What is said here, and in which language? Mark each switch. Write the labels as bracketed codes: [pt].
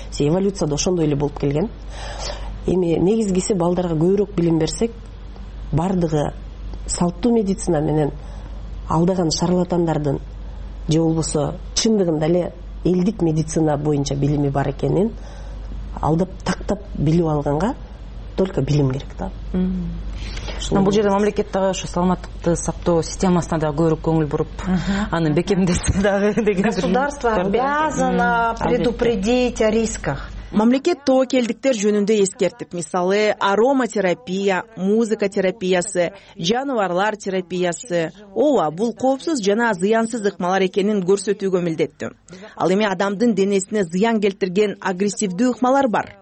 [ky] Себеби эволюция да ошондой эле болуп келген. Эми негизгиси балдарга көбүрөөк билим берсек, бардыгы салттуу медицина менен алдаган шарлатандардын же болбосо чындыгында эле элдик медицина боюнча билими бар экенин алдап тактап билип алганга [ru] только [ky] билим керек да. Бул жерде мамлекет дагы ошо саламаттыкты сактоо системасына дагы көбүрөөк көңүл буруп аны бекемдесе дагы деген. [ru] Государство обязано предупредить о рисках. [ky] Мамлекет тоокелдиктер жөнүндө эскертип, мисалы, ароматерапия, музыка терапиясы, жаныбарлар терапиясы, ооба, бул коопсуз жана зыянсыз ыкмалар экенин көрсөтүүгө милдеттүү. Ал эми адамдын денесине зыян келтирген агрессивдүү ыкмалар бар.